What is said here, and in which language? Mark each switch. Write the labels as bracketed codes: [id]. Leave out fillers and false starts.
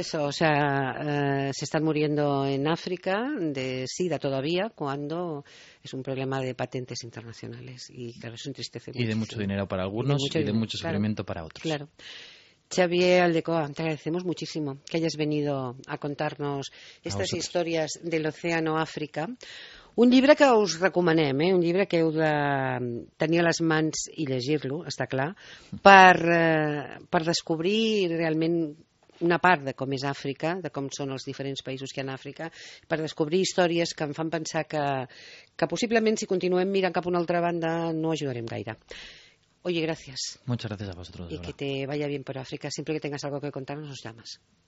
[es] Eso, o sea, se están muriendo en África de SIDA todavía, cuando es un problema de patentes internacionales, y claro, es un tristeza. Y de mucho dinero para algunos y de mucho sufrimiento claro, para otros. Claro. Xavier Aldecoa, te agradecemos muchísimo que hayas venido a contarnos estas historias de l'Oceano África. [ca] Un llibre que us recomanem, un llibre que heu de tenir a les mans i llegir-lo, està clar, per descobrir realment una part de com és Àfrica, de com són els diferents països que hi ha en Àfrica, per descobrir històries que em fan pensar que possiblement si continuem mirant cap a una altra banda no ajudarem gaire. [es] Oye, gracias. Muchas gracias a vosotros. Y que te vaya bien por África. Siempre que tengas algo que contarnos, nos llamas.